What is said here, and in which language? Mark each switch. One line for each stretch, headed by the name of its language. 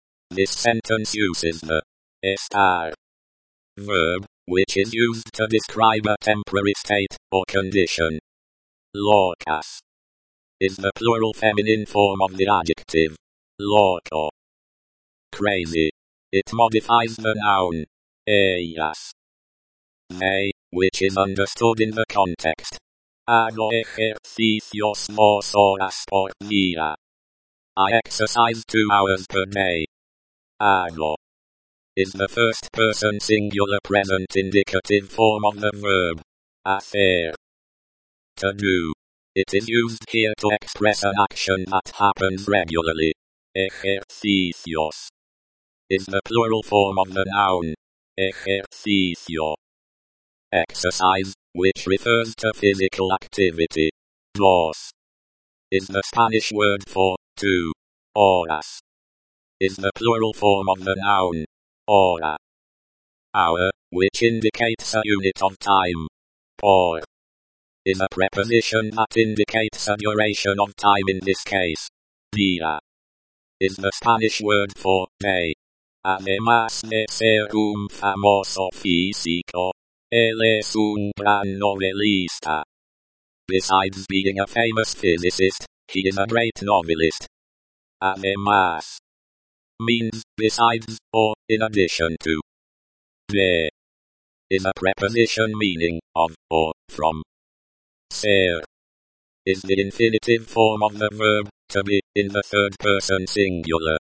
English: This sentence uses the estar verb, which is used to describe a temporary state, or condition. Locas is the plural feminine form of the adjective loco. Crazy. It modifies the noun ellas. They, which is understood in the context.
Spanish: Hago ejercicios dos horas por día.
English: I exercise 2 hours per day. Hago is the first person singular present indicative form of the verb hacer. To do. It is used here to express an action that happens regularly. Ejercicios is the plural form of the noun ejercicio. Exercise, which refers to physical activity. Dos is the Spanish word for 2 horas. Is the plural form of the noun hora. Hour, which indicates a unit of time. Por is a preposition that indicates a duration of time in this case. Día is the Spanish word for day.
Spanish: Además de ser un famoso físico, él es un gran novelista.
English: Besides being a famous physicist, he is a great novelist. Además means besides or in addition to. De is a preposition meaning of or from. Ser is the infinitive form of the verb to be in the third person singular.